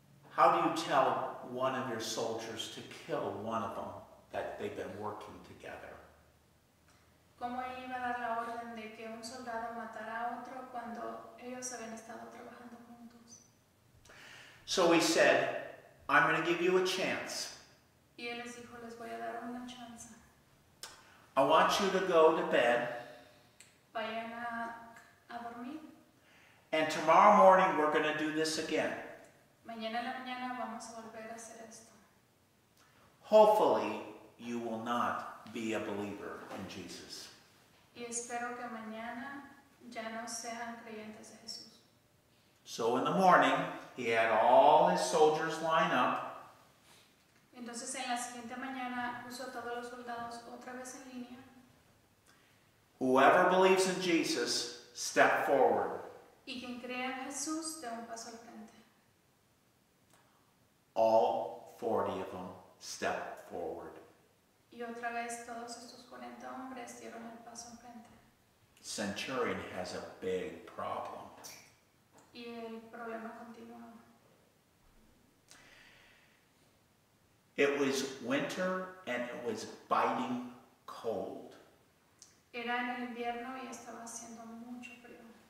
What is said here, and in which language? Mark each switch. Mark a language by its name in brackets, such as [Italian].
[English] How do you tell one of your soldiers to kill one of them that they've been working together? [Spanish] ¿Cómo él iba a dar la orden de que un soldado matara a otro cuando ellos habían estado trabajando juntos? [English] So he said, I'm going to give you a chance. [Spanish] Y él les dijo, les voy a dar una chance. [English] I want you to go to bed. [Spanish] Vayan a dormir. [English] And tomorrow morning we're going to do this again. [Spanish] Mañana en la mañana vamos a volver a hacer esto. [English] Hopefully you will not be a believer in Jesus. [Spanish] Y espero que mañana ya no sean creyentes de Jesús. [English] So in the morning, he had all his soldiers line up. [Spanish] Entonces en la siguiente mañana puso a todos los soldados otra vez en línea. [English] Whoever believes in Jesus, step forward. [Spanish] Y quien crea en Jesús, dé un paso al frente. [English] All 40 of them stepped forward. [Spanish] Y otra vez todos estos 40 hombres dieron el paso en frente. [English] Centurion has a big problem. [Spanish] Y el problema continuó. [English] It was winter and it was biting cold. [Spanish] Era en el invierno y estaba haciendo mucho frío.